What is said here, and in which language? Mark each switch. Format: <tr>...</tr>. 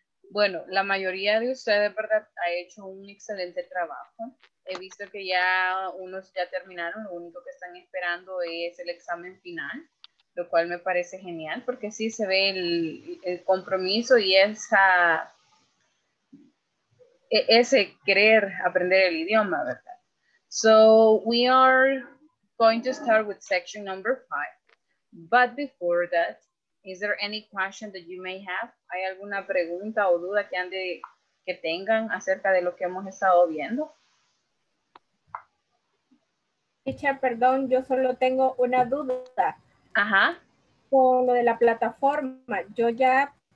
<es>Bueno, la mayoría de ustedes, ¿verdad? Ha hecho un excelente trabajo. He visto que ya unos ya terminaron, lo único que están esperando es el examen final, lo cual me parece genial porque sí se ve el compromiso y esa... ese querer aprender el idioma, ¿verdad?</es> <en>So, we are going to start with section number 5. But before that, is there any question that you may have?</en> <es>¿Hay alguna pregunta o duda que ande, que tengan acerca de lo que hemos estado viendo? Dicha, perdón, yo solo tengo una duda. Ajá. Con lo de la plataforma, yo ya...</es>